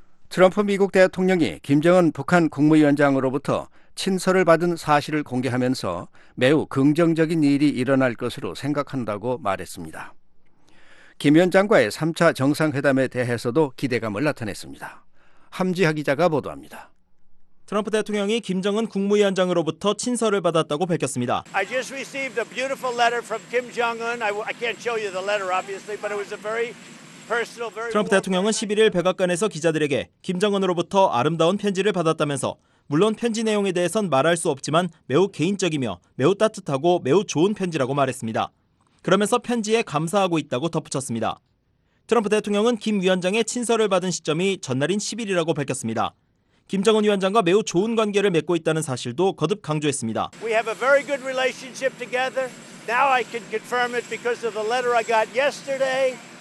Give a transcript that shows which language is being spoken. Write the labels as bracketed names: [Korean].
[Korean] 트럼프 미국 대통령이 김정은 북한 국무위원장으로부터 친서를 받은 사실을 공개하면서 매우 긍정적인 일이 일어날 것으로 생각한다고 말했습니다. 김 위원장과의 3차 정상회담에 대해서도 기대감을 나타냈습니다. 함지하 기자가 보도합니다. 트럼프 대통령이 김정은 국무위원장으로부터 친서를 받았다고 밝혔습니다. [English] I just received a beautiful letter from Kim Jong-un. I can't show you the letter, obviously, but it was a very [Korean] 트럼프 대통령은 11일 백악관에서 기자들에게 김정은으로부터 아름다운 편지를 받았다면서 물론 편지 내용에 대해선 말할 수 없지만 매우 개인적이며 매우 따뜻하고 매우 좋은 편지라고 말했습니다. 그러면서 편지에 감사하고 있다고 덧붙였습니다. 트럼프 대통령은 김 위원장의 친서를 받은 시점이 전날인 10일이라고 밝혔습니다. 김정은 위원장과 매우 좋은 관계를 맺고 있다는 사실도 거듭 강조했습니다. [English] We have a very good relationship together. Now I can confirm it because of the letter I got yesterday.